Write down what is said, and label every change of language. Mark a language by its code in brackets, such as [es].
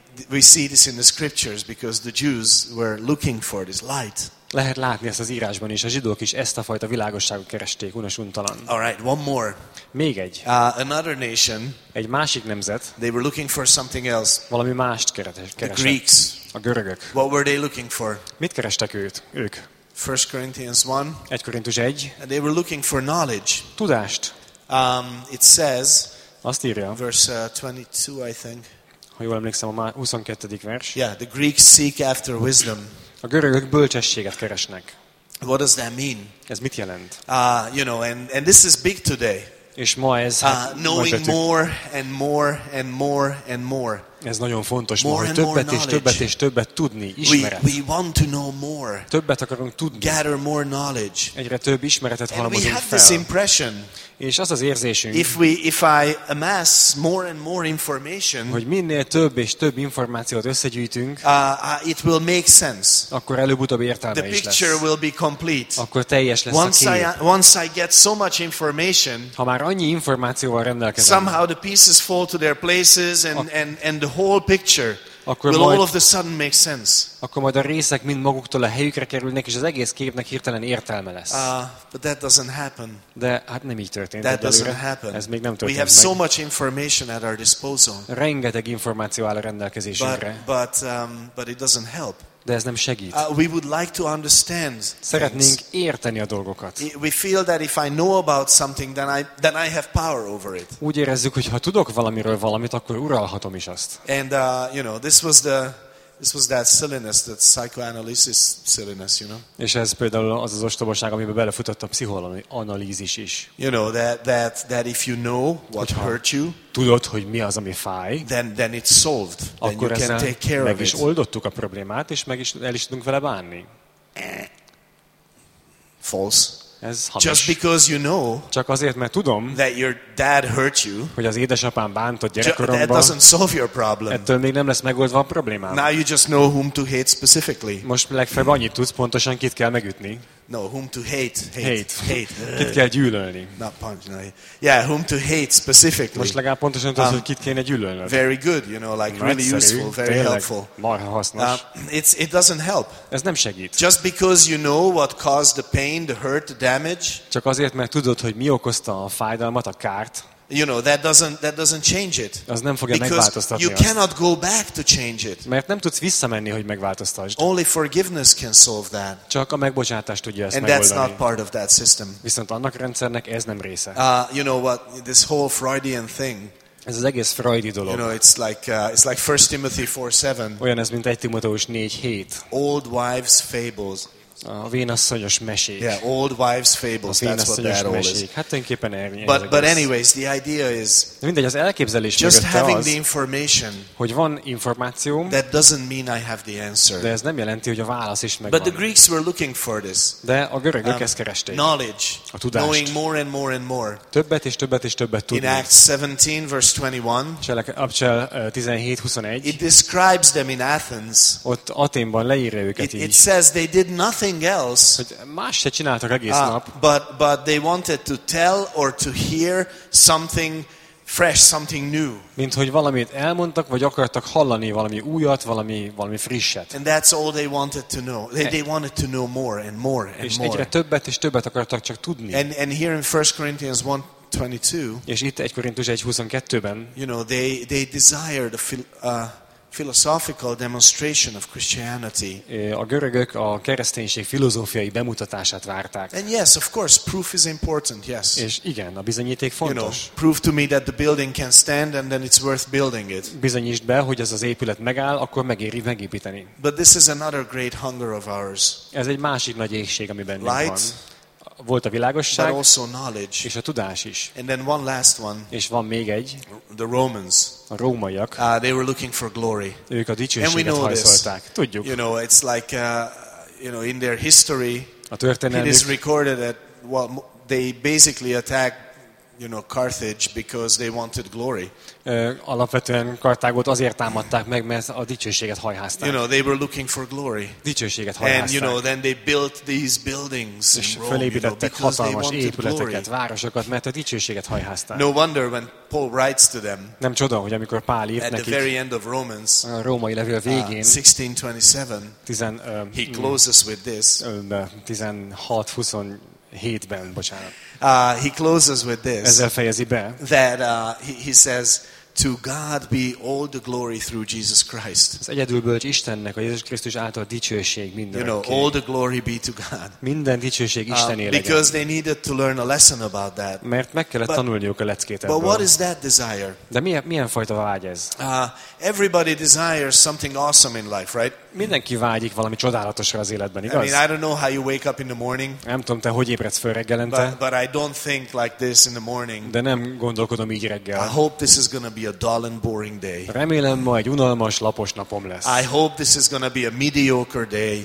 [en] We see this in the scriptures because the Jews were looking for this light. [hu] Lehet látni ezt az írásban is, a zsidók is ezt a fajta világosságot keresték unosuntalan. [en] All right, one more. [hu] Még egy. [en] Another nation. [hu] Egy másik nemzet. [en] They were looking for something else. [hu] Valami mást keresett. [en] The Greeks. [hu] A görögök. [en] What were they looking for? [hu] Mit kerestek ők? [en] 1 Corinthians 1. [hu] 1 Korintus 1. [en] They were looking for knowledge. [hu] Tudást. [en] It says. [hu] Azt írja. [en] Verse 22, I think. [hu] Ha jól emlékszem, a 22. vers. [en] Yeah, the Greeks seek after wisdom. [hu] A görögök bölcsességet keresnek. [en] What does that mean? [hu] Ez mit jelent? [en] You know, and this is big today. [hu] És ma ez [en] knowing more and more and more and more. [hu] Ez nagyon fontos, more ma, hogy többet és többet és többet tudni, ismeret. [en] We want to know more. [hu] Többet akarunk tudni. [en] Gather more knowledge. [hu] Egyre több ismeretet halmozunk fel. [en] And we have this impression. [hu] És az az érzésünk. [en] If I amass more and more information. [hu] Hogy minél több és több információt összegyűjtünk. [en] It will make sense. [hu] Akkor előbb-utóbb értelme is lesz. [en] The picture will be complete. [hu] Akkor teljes lesz [en] once [hu] a kép. [en] Once I get so much information. [hu] Ha már annyi információval rendelkezem. [en] Somehow the pieces fall to their places and the whole picture will all of a sudden make sense. [hu] Akkor majd a részek mind maguktól a helyükre kerülnek, és az egész képnek hirtelen értelme lesz. [en] But that doesn't happen. [hu] De hát nem így történt. [en] That doesn't happen. [hu] Ez még nem történt. [en] We have so much information at our disposal. [hu] Rengeteg információ áll a rendelkezésünkre. [en] But it doesn't help. [hu] De ez nem segít. [en] We would like to understand. [hu] Szeretnénk érteni a dolgokat. [en] We feel that if I know about something, then I have power over it. [hu] Úgy érezzük, hogy ha tudok valamiről valamit, akkor uralhatom is azt. [en] And you know, this was that silliness, that psychoanalysis silliness, you know. [hu] És ez például az az ostobaság, amibe belefutott a pszichoanalízis is. [en] You know that if you know what hurt you. [hu] Tudod, hogy mi az, ami fáj? [en] Then it's solved. [hu] Akkor [en] then you can take care of it. [hu] Meg is oldottuk a problémát, és meg is el is tudunk vele bánni. [en] False. [hu] Ez hamis. [en] Just because you know. [hu] Csak azért, mert tudom. [en] That your dad hurt you. [hu] Hogy az édesapám bántott gyerekkoromban. [en] That doesn't solve your problem. [hu] Ettől még nem lesz megoldva a problémám. [en] Now you just know whom to hate specifically. [hu] Most legfeljebb annyit tudsz, pontosan kit kell megütni. [en] No, whom to hate. [hu] Kit kell gyűlölni? [en] Not punch, no. Yeah, whom to hate specifically. [hu] Most legalább pontosan tudod, hogy kit kéne gyűlölni. [en] Very good, you know, like really useful, very helpful. [hu] Marha hasznos. [en] It doesn't help. [hu] Ez nem segít. [en] Just because you know what caused the pain, the hurt, the damage. [hu] Csak azért, mert tudod, hogy mi okozta a fájdalmat, a kárt. [en] You know that doesn't change it. [hu] Az nem fogja megváltoztatni. [en] You cannot go back to change it. [hu] Mert nem tudsz visszamenni, hogy megváltoztasd. [en] Only forgiveness can solve that. [hu] Csak a megbocsátás tudja ezt [en] and [hu] megoldani. [en] That's not part of that system. [hu] Viszont annak rendszernek ez nem része. [en] You know what this whole Freudian thing. [hu] Ez az egész freudi dolog. [en] You know it's like 1 Timothy 4:7. [hu] Olyan ez, mint 1 Timóteus 4:7. [en] Old wives fables. [hu] A vénasszonyos mesék. [en] Yeah, old wives fables. That's what that all is. [hu] Hát tulajdonképpen ennyi. [en] But anyways, the idea is. [hu] Mindegy, az elképzelés mögötte [en] just having [hu] az, [en] the information. [hu] Hogy van információm. [en] That doesn't mean I have the answer. [hu] De ez nem jelenti, hogy a válasz is megvan. [en] But the Greeks were looking for this. [hu] De a görögök ezt keresték. [en] Knowledge. [hu] A tudást. [en] Knowing more and more and more. [hu] Többet és többet és többet tudni. [en] In Acts 17 verse 21. [hu] Cselekedetek 17:21. [en] It describes them in Athens. [hu] Ott Athénban leírja őket így. [en] It says they did nothing. [hu] Hogy más se csináltak egész nap. [en] But they wanted to tell or to hear something fresh, something new. [hu] Mint hogy valamit elmondtak, vagy akartak hallani valami újat, valami frisset. [en] And that's all they wanted to know. They wanted to know more and more and more. [hu] És egyre többet és többet akartak csak tudni. [en] And here in 1 Corinthians 1:22. [hu] És itt 1 Korintus 1:22-ben. [en] You know, they desired philosophical demonstration of Christianity. [hu] A görögök a kereszténység filozófiai bemutatását várták. [en] And yes, of course, proof is important. Yes. [hu] És igen, a bizonyíték fontos. [en] You know, prove to me that the building can stand, and then it's worth building it. [hu] Bizonyítsd be, hogy ez az épület megáll, akkor megéri megépíteni. [en] But this is another great hunger of ours. [hu] Ez egy másik nagy éhség, ami bennünk [en] light, [hu] van. Volt a világosság, [en] but also knowledge. [hu] És a tudás is. [en] And then one last one. [hu] És van még egy. [en] The Romans. [hu] A rómaiak. [en] They were looking for glory. [hu] Ők a dicsőséget hajszolták. Tudjuk. [en] You know, it's like you know, in their history. [hu] A történelmük. [en] It is recorded that well, they basically attacked you know, Carthage because they wanted glory. [hu] Alapvetően Karthágot azért támadták meg, mert a dicsőséget hajházták. [en] You know, they were looking for glory. [hu] Dicsőséget hajházták. [en] And you know, then they built these buildings in Rome, [hu] felépítették hatalmas épületeket, városokat, mert a dicsőséget hajházták. [en] No wonder when Paul writes to them. [hu] Nem csoda, hogy amikor Pál írt nekik. [en] At the very end of Romans. [hu] A római levél végén. [en] 16:27. He closes with this. [hu] 16:27-ben, bocsánat. [en] He closes with this. [hu] Ezzel fejezi be. [en] That he says, to God be all the glory through Jesus Christ. [hu] Az egyedül bölcs Istennek, a Jézus Krisztus által dicsőség mindenki. [en] You know, all the glory be to God. [hu] Minden dicsőség Istené legyen. [en] Because they needed to learn a lesson about that. [hu] Mert meg kellett tanulniuk a leckét ebből. [en] But what is that desire? [hu] De milyen fajta vágy ez? [en] Everybody desires something awesome in life, right? [hu] Mindenki vágyik valami csodálatosra az életben, igaz? [en] I mean, I don't know how you wake up in the morning. [hu] Nem tudom, te hogy ébredsz föl reggelente. [en] But I don't think like this in the morning. [hu] De nem gondolkodom így reggel. [en] I hope this is gonna be a dull and boring day. [hu] Remélem, ma egy unalmas, lapos napom lesz. [en] I hope this is gonna be a mediocre day.